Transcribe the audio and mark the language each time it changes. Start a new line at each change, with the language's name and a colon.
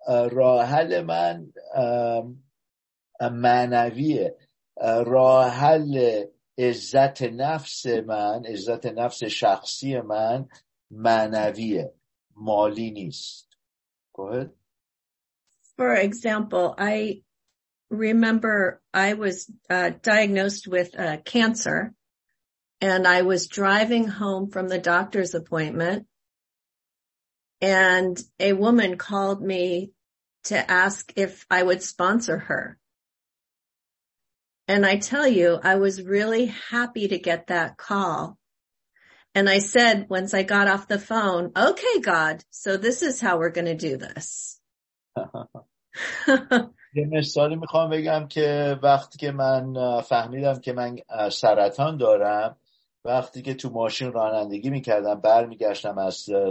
Persian: راه حل من معنویه، راه حل عزت نفس من، عزت نفس شخصی من معنویه، مالی نیست.
English: Go ahead. For example, I remember I was diagnosed with cancer and I was driving home from the doctor's appointment and a woman called me to ask if I would sponsor her. And I tell you, I was really happy to get that call. And I said, once I got off the phone, okay, God, so this is how we're going to do this.
Persian: یه مثالی میخوام بگم که وقتی که من فهمیدم که من سرطان دارم، وقتی که تو ماشین رانندگی میکردم برمیگشتم از